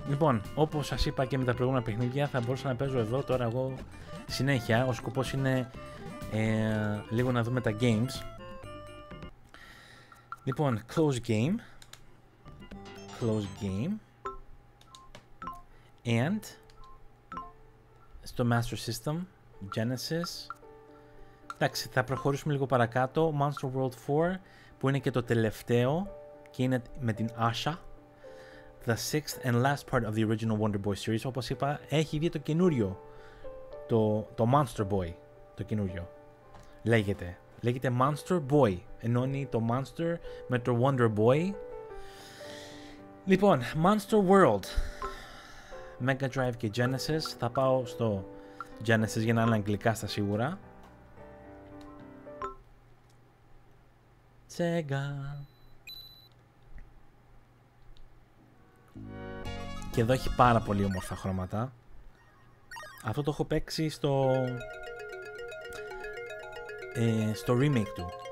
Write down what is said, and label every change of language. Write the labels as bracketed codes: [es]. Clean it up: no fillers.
[el] Λοιπόν, όπως σας είπα και με τα προηγούμενα παιχνίδια, θα μπορούσα να παίζω εδώ τώρα εγώ συνέχεια. Ο σκοπός είναι λίγο να δούμε τα games. Λοιπόν, close game. Close game. [en] And [el] στο Master System, Genesis. Εντάξει, θα προχωρήσουμε λίγο παρακάτω. Monster World 4, που είναι και το τελευταίο και είναι με την Asha. [en] The sixth and last part of the original Wonder Boy series. [el] Όπως είπα, έχει βγει το καινούριο. Το Monster Boy. Το καινούριο. Λέγεται. Λέγεται Monster Boy. Ενώνει το Monster με το Wonder Boy. Λοιπόν, Monster World. Mega Drive και Genesis. Θα πάω στο Genesis για να είναι αγγλικά στα σίγουρα. Sega. Και εδώ έχει πάρα πολύ όμορφα χρώματα. Αυτό το έχω παίξει στο remake του.